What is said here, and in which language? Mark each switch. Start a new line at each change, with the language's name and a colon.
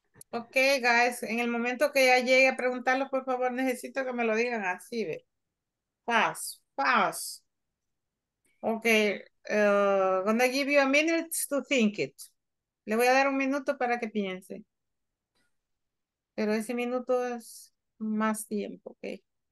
English: Okay, guys,
Spanish: en el momento que ya llegue a preguntarlo, por favor, necesito que me lo digan así, ve.
English: Pass. Okay, gonna give you a minute to think it.
Spanish: Le voy a dar un minuto para que piense. Pero ese minuto es más tiempo, okay.